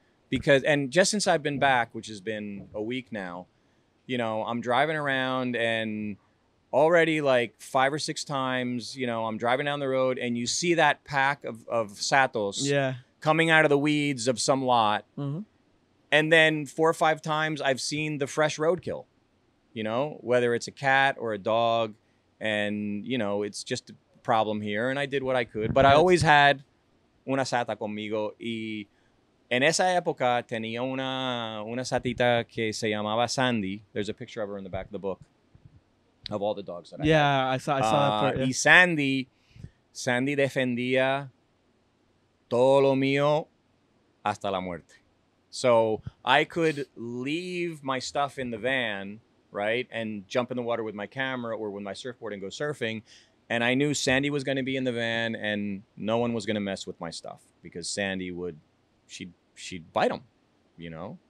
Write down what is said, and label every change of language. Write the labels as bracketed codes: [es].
[en] Because, and just since I've been back, which has been a week now, you know, I'm driving around and already like five or six times, you know, I'm driving down the road and you see that pack of satos coming out of the weeds of some lot. Mm-hmm. And then four or five times I've seen the fresh roadkill, you know, whether it's a cat or a dog. And, you know, it's just a problem here. And I did what I could. But I always had [es] una sata conmigo. Y en esa época tenía una satita que se llamaba Sandy. [en] There's a picture of her in the back of the book. Of all the dogs that I had. Yeah, I saw that part. [es] Yeah. Y Sandy defendía todo lo mío hasta la muerte. [en] So I could leave my stuff in the van, right, and jump in the water with my camera or with my surfboard and go surfing. And I knew Sandy was going to be in the van and no one was going to mess with my stuff because Sandy would, she'd bite them, you know.